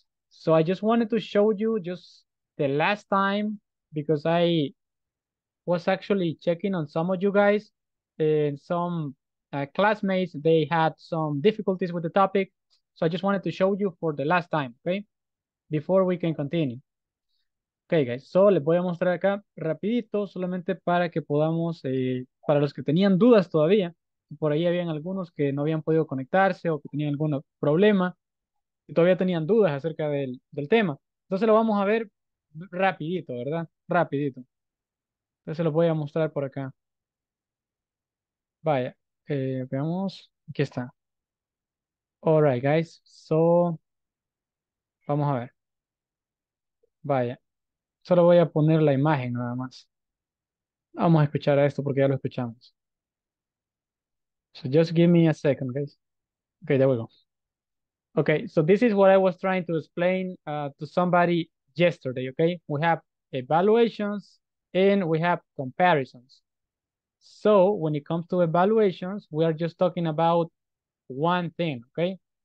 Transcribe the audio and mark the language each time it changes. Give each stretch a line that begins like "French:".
English: So I just wanted to show you just the last time because I was actually checking on some of you guys and some classmates, they had some difficulties with the topic. So I just wanted to show you for the last time, okay? Before we can continue. Okay, guys, so
Spanish: les voy a mostrar acá rapidito, solamente para que podamos, para los que tenían dudas todavía, por ahí habían algunos que no habían podido conectarse o que tenían algún problema y todavía tenían dudas acerca del tema. Entonces lo vamos a ver rapidito, ¿verdad? Rapidito. Entonces los voy a mostrar por acá. Vaya, veamos, aquí está.
English: All right, guys, so
Spanish: vamos a ver. Vaya. Solo voy a poner la imagen nada más. Vamos a escuchar a esto porque ya lo escuchamos.
English: So just give me a second, guys. Okay, there we go. Okay, so this is what I was trying to explain to somebody yesterday, okay? We have evaluations and we have comparisons. So when it comes to evaluations, we are just talking about one thing, okay?